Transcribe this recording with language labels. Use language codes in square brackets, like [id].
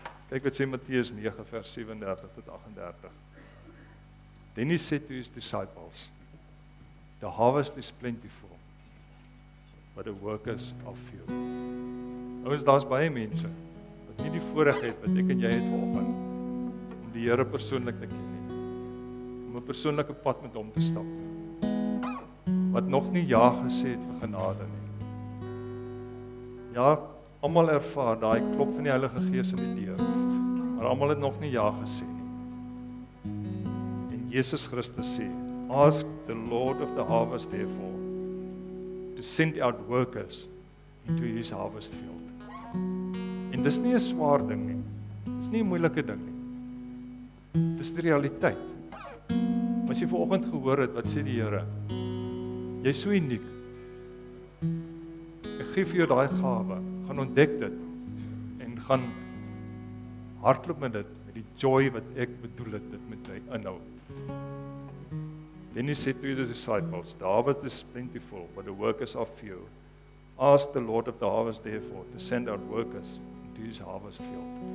[af] Kyk wat sê Matteus 9 vers 37 tot 38. [en] Then he said to his disciples, the harvest is plentiful, but the workers are few. [af] Ons, daar is baie mense wat nie die voorreg het wat ek en jy het vanoggend om die Here persoonlik te ken nie, om 'n persoonlike pad met hom te stap, wat nog nie ja gesê het vir genade nie. Ja, almal ervaar daai klop van die Heilige Gees in die deur, maar almal het nog nie ja gesê nie. En Jesus Christus sê, [en] ask the Lord of the harvest, therefore, to send out workers into his harvest field. [af] En dis nie 'n swaar ding nie. Dis nie 'n moeilike ding nie. Dis die realiteit. As jy vanoggend gehoor het, wat sê die Here? Jy is so uniek. Ek gee vir jou daai gawe. Gaan ontdek dit. En gaan hardloop met dit. Met die joy wat ek bedoel het, dit met my inhou. [en] Then he said to his disciples, the harvest is plentiful, but the workers are few. Ask the Lord of the harvest, therefore, to send out workers into his harvest field.